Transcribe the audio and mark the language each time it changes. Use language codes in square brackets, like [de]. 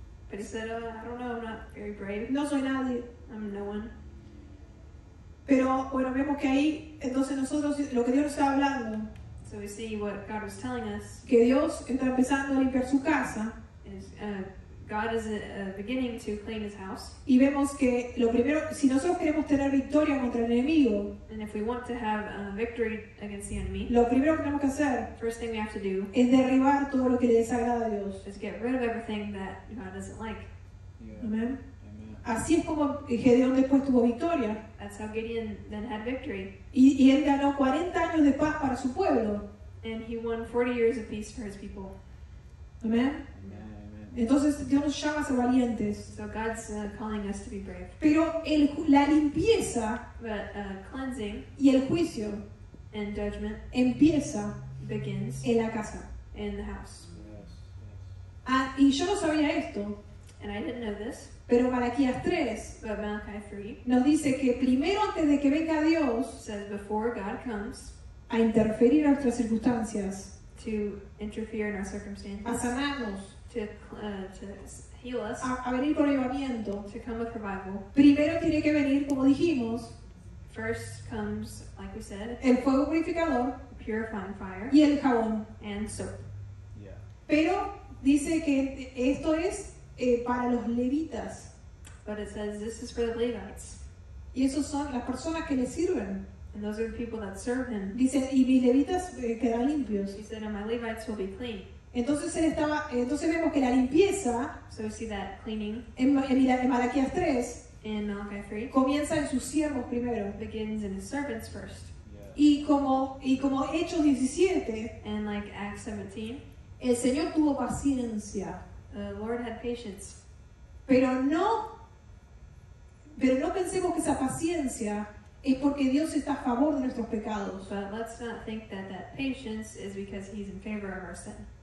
[en] But he said, I don't know, I'm not very brave. [es] No soy nadie. [en] I'm no one. [es] Pero bueno, vemos que ahí, entonces nosotros, lo que Dios nos está hablando. [en] So we see what God was telling us. [es] Que Dios está empezando a limpiar su casa. [en] God is beginning to clean his house. [es] Y vemos que lo primero, si nosotros queremos tener victoria contra el enemigo, [en] and if we want to have a victory against the enemy, [es] lo primero que tenemos que hacer, [en] first thing we have to do, [es] es derribar todo lo que le desagrada a Dios. [en] Is get rid of everything that God doesn't like. [es] Yeah. Amen. Así es como Gedeón después tuvo victoria. [en] That's how Gideon then had victory. [es] Y él ganó 40 años de paz para su pueblo. [en] And he won 40 years of peace for his people. [es] Amen. Entonces Dios nos llama a ser valientes. [en] So God's calling us to be brave. [es] Pero la limpieza, [en] but, cleansing, [es] y el juicio, [en] and judgment, [es] empieza, [en] begins, [es] en la casa, [en] in the house. [es] Yes. Y yo no sabía esto. [en] And I didn't know this. [es] Pero Malaquías 3, [en] but Malachi 3, [es] nos dice que primero antes de que venga Dios, [en] says before God comes, [es] a interferir en nuestras circunstancias, [en] to interfere in our circumstances, [es] a sanarnos, [en] to heal us, [es] a venir [en] to come with revival. [es] Primero tiene que venir, como dijimos, [en] first comes, like we said, [es] el fuego purificador, [en] purifying fire, [es] y el jabón, [en] and soap. Yeah. [es] Pero dice que esto es para los levitas. [en] But it says this is for the Levites. [es] Y esos son las personas que le sirven. [en] And those are the people that serve him. [es] Dice, y mis levitas quedan limpios. [en] He said, and my Levites will be clean. [es] Entonces él estaba. Entonces vemos que la limpieza, [en] so we see that cleaning, [es] en Malaquías 3, [en] in Malachi 3, [es] comienza en sus siervos primero, [en] begins in his servants first. Yeah. [es] Y como Hechos 17, [en] and like Acts 17, [es] el Señor tuvo paciencia, [en] the Lord had patience, [es] pero no pensemos que esa paciencia es porque Dios está a favor de nuestros pecados. [en] But let's not think that patience is because he's in favor of our sin.